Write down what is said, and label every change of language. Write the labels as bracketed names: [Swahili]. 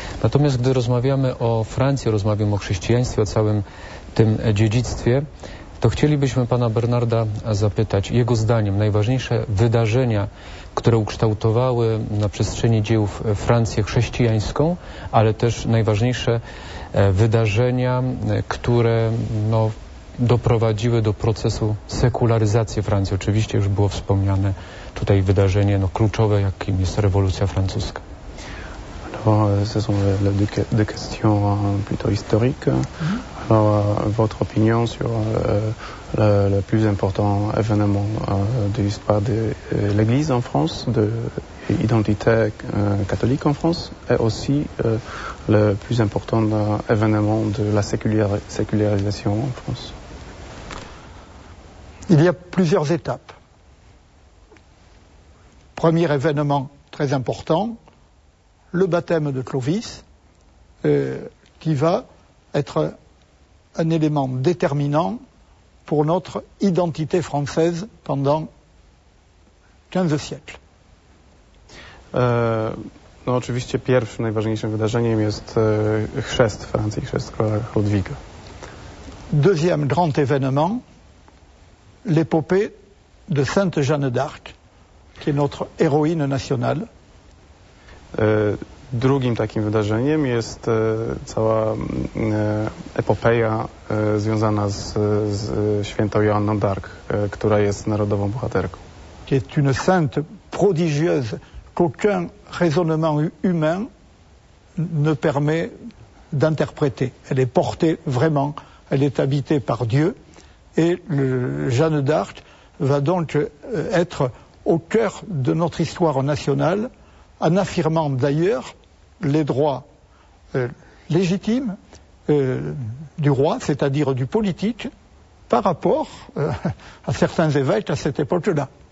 [Polish] Natomiast gdy rozmawiamy o Francji, rozmawiamy o chrześcijaństwie, o całym tym dziedzictwie, to chcielibyśmy pana Bernarda zapytać, jego zdaniem, najważniejsze wydarzenia, które ukształtowały na przestrzeni dziejów Francję chrześcijańską, ale też najważniejsze wydarzenia, które doprowadziły do procesu sekularyzacji Francji. Oczywiście już było wspomniane tutaj wydarzenie kluczowe, jakim jest rewolucja francuska. [French] Alors, ce sont des questions plutôt historiques. Alors, votre opinion sur le plus important événement de l'histoire de l'Église en France, de l'identité catholique en France, et aussi le plus important événement de la sécularisation en France? Il y a plusieurs étapes. Premier événement très important, le baptême de Clovis, qui va être un élément déterminant pour notre identité française pendant 15 siècles. [Polish] No oczywiście pierwszym najważniejszym wydarzeniem jest chrzest Francji, chrzest króla Ludwika. [French] Deuxième grand événement, l'épopée de Sainte Jeanne d'Arc, qui est notre héroïne nationale. [Polish] Drugim takim wydarzeniem jest cała epopeja związana z świętą Joanną d'Arc, która jest narodową bohaterką. [French] Qui est une sainte prodigieuse qu'aucun raisonnement humain ne permet d'interpréter. Elle est portée vraiment, elle est habitée par Dieu. Et Jeanne d'Arc va donc être au cœur de notre histoire nationale, en affirmant d'ailleurs les droits légitimes du roi, c'est-à-dire du politique, par rapport à certains évêques à cette époque-là.